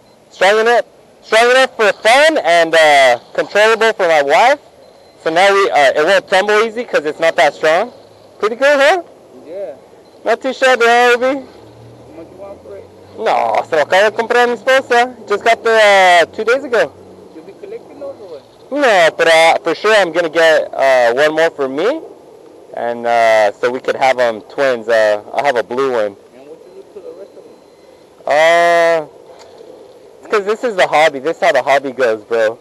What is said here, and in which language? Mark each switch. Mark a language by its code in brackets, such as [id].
[en] Strong enough. Strong enough for fun and controllable for my wife. So now it won't tumble easy because it's not that strong. Pretty good, huh? Yeah. Not too shabby, Obi. How much you want for it? [es] No, se lo acabo de comprar a mi esposa. [en] Just got the 2 days ago. You'll be collecting those or what? No, but for sure I'm going to get one more for me. And so we could have twins. I'll have a blue one. And what you do to the rest of them? Because this is the hobby. This is how the hobby goes, bro.